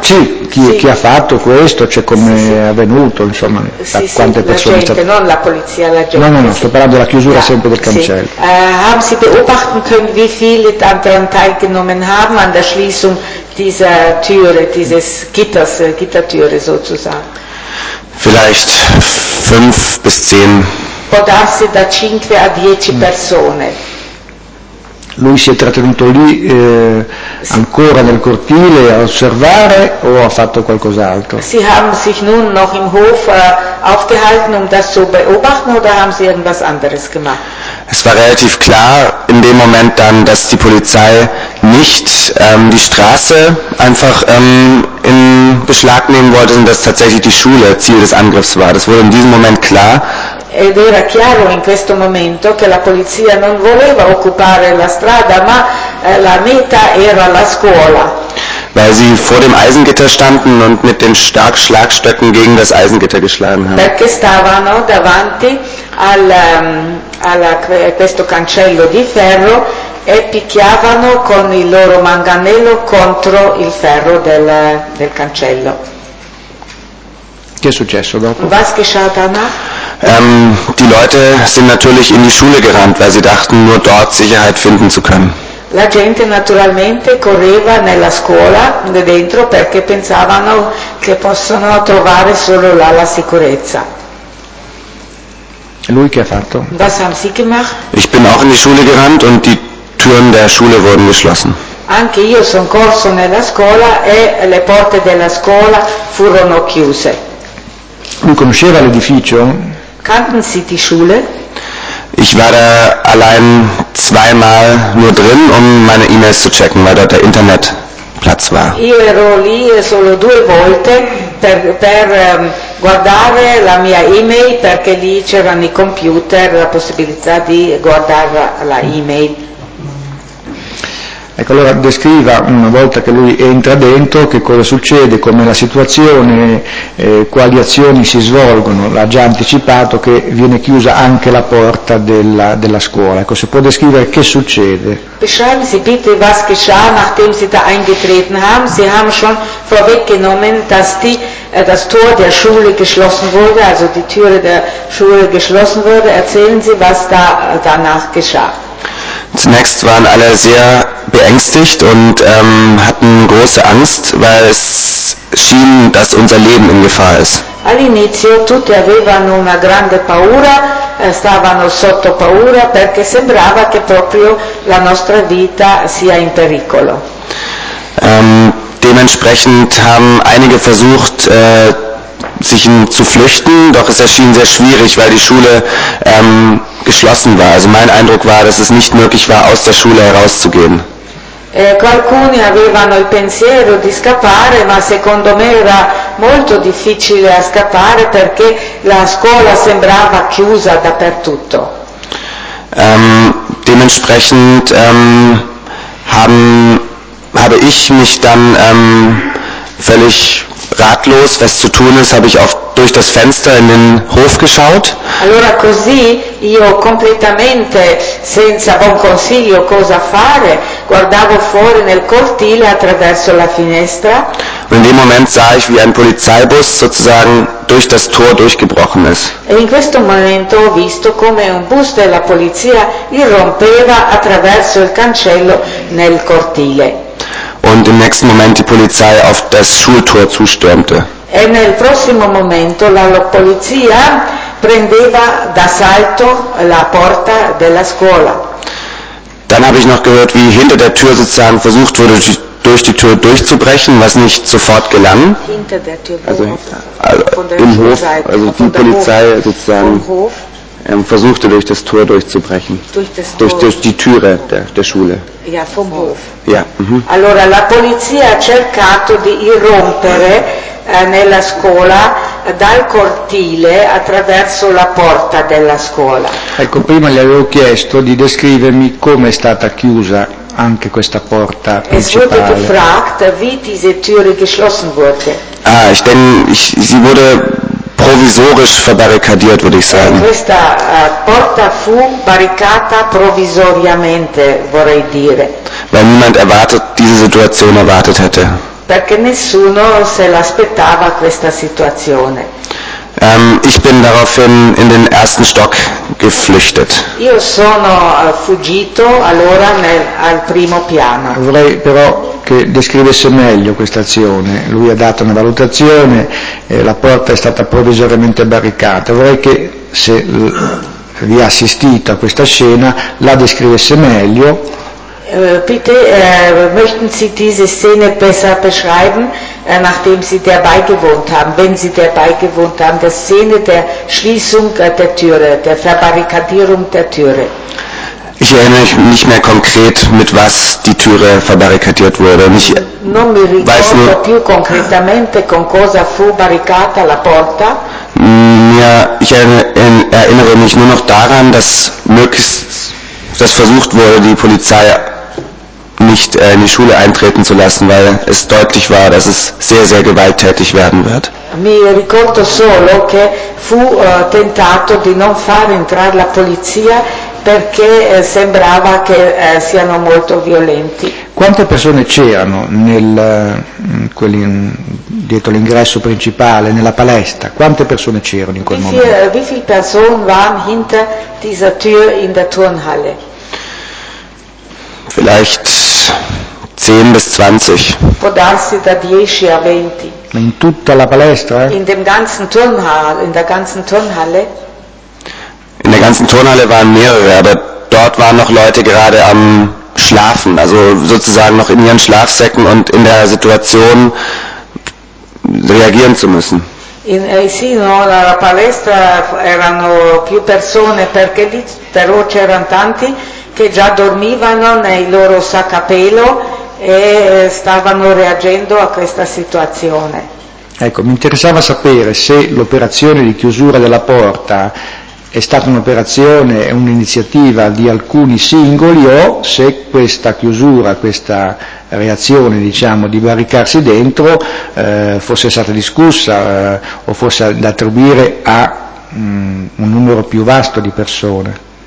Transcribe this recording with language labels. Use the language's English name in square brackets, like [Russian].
[Italian] Sì, chi ha fatto questo, cioè come è avvenuto, insomma, quante persone? La gente, non la polizia, la gente. No, sto parlando della chiusura sempre del cancello. [German] Haben Sie beobachten können, wie viele daran teilgenommen haben an der Schließung dieser Türe, dieses Gitters, Gittertüre sozusagen? Vielleicht 5 bis 10. [Italian] Può darsi da 5 a 10 persone. Lui si è trattenuto lì ancora nel cortile a osservare o ha fatto qualcos'altro? [German] Sie haben sich nun noch im Hof aufgehalten, um das zu beobachten, oder haben Sie irgendwas anderes gemacht? Es war relativ klar in dem Moment dann, dass die Polizei nicht die Straße einfach in Beschlag nehmen wollte, sondern dass tatsächlich die Schule Ziel des Angriffs war. Das wurde in diesem Moment klar. [Italian] Ed era chiaro in questo momento che la polizia non voleva occupare la strada, ma la meta era la scuola. [German] Weil sie vor dem Eisengitter standen und mit den Starkschlagstöcken gegen das Eisengitter geschlagen haben. [Italian] Perché stavano davanti al questo cancello di ferro e picchiavano con il loro manganello contro il ferro del cancello. Che è successo dopo? [German] Was geschah danach? Die Leute sind natürlich in die Schule gerannt, weil sie dachten, nur dort Sicherheit finden zu können. [Italian] La gente naturalmente correva nella scuola dentro perché pensavano che possono trovare solo là la sicurezza. Lui che ha fatto? [German] Was haben sie gemacht? Ich bin auch in die Schule gerannt und die Türen der Schule wurden geschlossen. [Italian] Anche io sono corso nella scuola e le porte della scuola furono chiuse. Lui conosceva l'edificio? [German] Kannten Sie die Schule? Ich war da allein zweimal nur drin, um meine E-Mails zu checken, weil dort der Internetplatz war. [Italian] Io ero lì solo due volte per guardare la mia E-Mail, perché lì c'erano i computer, la possibilità di guardare la E-Mail. Ecco, allora descriva una volta che lui entra dentro che cosa succede, com'è la situazione, quali azioni si svolgono. L'ha già anticipato che viene chiusa anche la porta della scuola. Ecco, se può descrivere che succede. [German] Beschreiben Sie bitte was geschah nachdem Sie da eingetreten haben. Sie haben schon vorweggenommen, dass das Tor der Schule geschlossen wurde, also die Türe der Schule geschlossen wurde. Erzählen Sie, was da danach geschah. Zunächst waren alle sehr beängstigt und hatten große Angst, weil es schien, dass unser Leben in Gefahr ist. [Italian] All'inizio tutti avevano una grande paura, stavano sotto paura, perché sembrava che proprio la nostra vita sia in pericolo. [German] Dementsprechend haben einige versucht, sich zu flüchten, doch es erschien sehr schwierig, weil die Schule geschlossen war. Also mein Eindruck war, dass es nicht möglich war, aus der Schule herauszugehen. [Italian] Alcuni avevano il pensiero di scappare, ma secondo me era molto difficile a scappare perché la scuola sembrava chiusa dappertutto. [German] Dementsprechend habe ich mich dann völlig ratlos, was zu tun ist, habe ich auch durch das Fenster in den Hof geschaut. [Italian] Allora così io completamente senza buon consiglio cosa fare, guardavo fuori nel cortile attraverso la finestra. [German] In dem Moment sah ich, wie ein Polizeibus sozusagen durch das Tor durchgebrochen ist. [Italian] E in questo momento ho visto come un bus della polizia irrompeva attraverso il cancello nel cortile. [German] Und im nächsten Moment die Polizei auf das Schultor zustürmte. [Italian] E nel prossimo momento la polizia prendeva d'assalto la porta della scuola. [German] Dann habe ich noch gehört, wie hinter der Tür sozusagen versucht wurde, durch die Tür durchzubrechen, was nicht sofort gelang. Hinter der Tür, also, im Hof, also die Polizei sozusagen versuchte, durch das Tor durchzubrechen. Durch die Türe der Schule. Ja, vom Hof. Ja. [Italian] Allora, la polizia ha cercato di irrompere nella scuola dal cortile attraverso la porta della scuola. Ecco, prima gli avevo chiesto di descrivermi come è stata chiusa anche questa porta principale. [German] Es wurde gefragt, wie diese Türe geschlossen wurde. Ah, ich denke, sie wurde provisorisch verbarrikadiert, würde ich sagen. [Italian] Questa porta fu barricata provvisoriamente, vorrei dire. [German] Weil niemand diese Situation erwartet hätte. [Italian] Perché nessuno se l'aspettava questa situazione. [German] Ich bin daraufhin in den ersten Stock geflüchtet. [Italian] Io sono fuggito allora al primo piano. Vorrei però che descrivesse meglio questa azione. Lui ha dato una valutazione, la porta è stata provvisoriamente barricata. Vorrei che se vi ha assistito a questa scena la descrivesse meglio. [German] Bitte, möchten Sie diese Szene besser beschreiben? nachdem sie dabei gewohnt haben, wenn sie dabei gewohnt haben, der Szene der Schließung der Türe, der Verbarrikadierung der Türe. Ich erinnere mich nicht mehr konkret, mit was die Türe verbarrikadiert wurde. Ich weiß nur [Italian] più concretamente con cosa fu barricata la porta. [German] Ja, ich erinnere mich nur noch daran, dass dass versucht wurde, die Polizei nicht in die Schule eintreten zu lassen, weil es deutlich war, dass es sehr, sehr gewalttätig werden wird. [Italian] Mi ricordo solo che fu tentato di non far entrare la polizia perché sembrava che siano molto violenti. Quante persone c'erano dietro l'ingresso principale, nella palestra? Quante persone c'erano in quel momento? [German] Wie viele Personen waren hinter dieser Tür in der Turnhalle? Vielleicht 10 bis 20. [Italian] Può darsi da 10 a 20. Ma in tutta la palestra? [German] In dem ganzen Turnhalle, in der ganzen Turnhalle. In der ganzen Turnhalle waren mehrere, aber dort waren noch Leute gerade am Schlafen, also sozusagen noch in ihren Schlafsäcken und in der Situation reagieren zu müssen. [Italian] Sì, no, la palestra erano più persone perché lì però c'erano tanti che già dormivano nei loro sacco a pelo e stavano reagendo a questa situazione. Ecco, mi interessava sapere se l'operazione di chiusura della porta è stata un'operazione, un'iniziativa di alcuni singoli o se questa chiusura, questa reazione, diciamo, di barricarsi dentro fosse stata discussa o fosse da attribuire a un numero più vasto di persone.